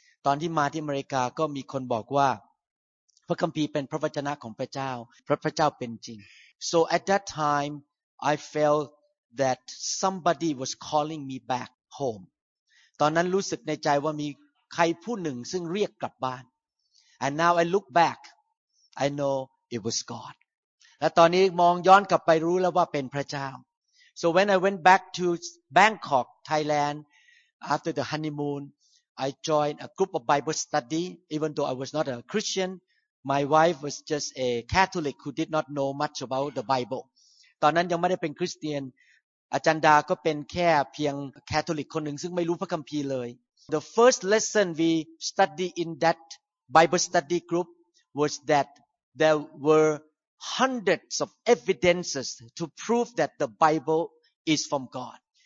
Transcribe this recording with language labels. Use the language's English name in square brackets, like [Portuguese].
[Thai] ตอนที่มาที่อเมริกาก็มีคนบอกว่าพระคัมภีร์เป็นพระวจนะของพระเจ้าพระเจ้าเป็นจริง [English] So at that time I felt that somebody was calling me back home [Thai] ตอนนั้นรู้สึกในใจว่ามีใครผู้หนึ่งซึ่งเรียกกลับบ้าน [English] And now I look back I know it was God [Thai] และตอนนี้มองย้อนกลับไปรู้แล้วว่าเป็นพระเจ้า [English] So when I went back to Bangkok Thailand after the honeymoonI joined a group of Bible study, even though I was not a Christian. My wife was just a Catholic who did not know much about the Bible. [Thai] ตอนนั้นยังไม่ได้เป็นคริสเตียนอาจารย์ดาก็เป็นแค่เพียง Catholic คนหนึ่งซึ่งไม่รู้พระคัมภีร์เลย [English] The first lesson we study in that Bible study group was that there were hundreds of evidences to prove that the Bible is from God.